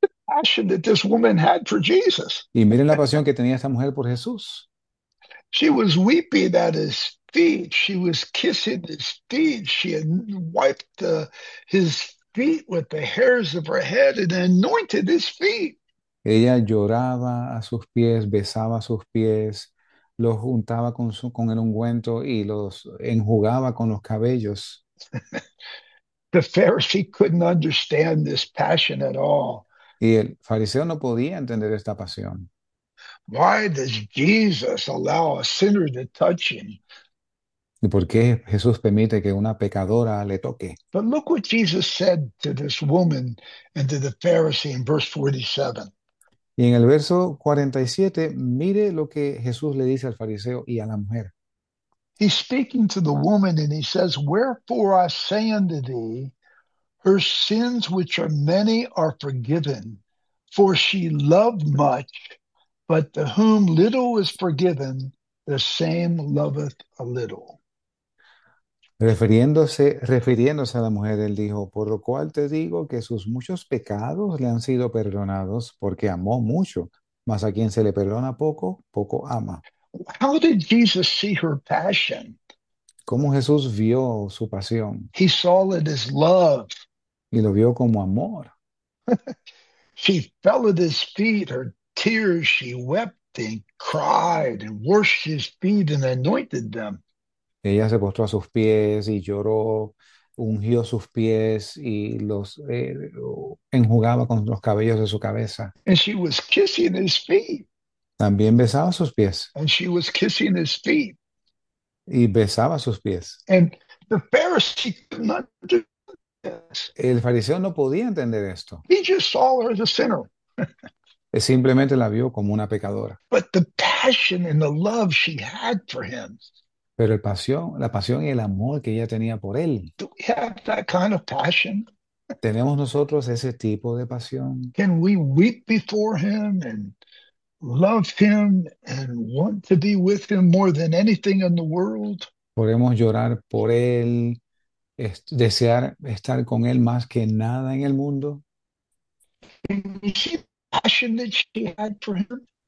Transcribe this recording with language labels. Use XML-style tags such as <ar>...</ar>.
<en>Passion that this woman had for Jesus.</en> <es>Y miren la pasión que tenía esta mujer por Jesús.</es> <en>She was weeping at his feet. She was kissing his feet. She had wiped his feet with the hairs of her head and anointed his feet.</en> <es>Ella lloraba a sus pies, besaba sus pies, los juntaba con el ungüento y los enjugaba con los cabellos.</es> <en>The Pharisee couldn't understand this passion at all.</en> <es>Y el fariseo no podía entender esta pasión.</es> <en>Why does Jesus allow a sinner to touch him?</en> <es>¿Y por qué Jesús permite que una pecadora le toque?</es> <en>But look what Jesus said to this woman and to the Pharisee in verse 47.</en> <es>Y en el verso 47, mire lo que Jesús le dice al fariseo y a la mujer.</es> <en>He's speaking to the woman and he says, Wherefore I say unto thee, her sins, which are many, are forgiven, for she loved much. But to whom little is forgiven, the same loveth a little.</en> <es>Refiriéndose a la mujer, él dijo, por lo cual te digo que sus muchos pecados le han sido perdonados porque amó mucho, mas a quien se le perdona poco, poco ama.</es> <en>How did Jesus see her passion?</en> <es>¿Cómo Jesús vio su pasión?</es> <en>He saw it as love.</en> <es>Y lo vio como amor.</es> <en>She fell at his feet, her tears, she wept and cried and washed his feet and anointed them.</en> <es>Ella se postró a sus pies y lloró, ungió sus pies y los enjugaba con los cabellos de su cabeza.</es> <en>And she was kissing his feet.</en> <es>También besaba sus pies.</es> <en>And she was kissing his feet.</en> <es>Y besaba sus pies.</es> <en>And the Pharisee could not do this.</en> <es>El fariseo no podía entender esto.</es> <en>He just saw her as a sinner.</en> <es>Simplemente la vio como una pecadora.</es> <en>But the passion and the love she had for him.</en> <es>Pero la pasión y el amor que ella tenía por él.</es> <en>Do we have that kind of passion?</en> <es>¿Tenemos nosotros ese tipo de pasión?</es> <en>Can we weep before him and love him and want to be with him more than anything in the world?</en> <es>¿Podemos llorar por él, est desear estar con él más que nada en el mundo?</es> <en>Can you see the passion that she had for him?</en>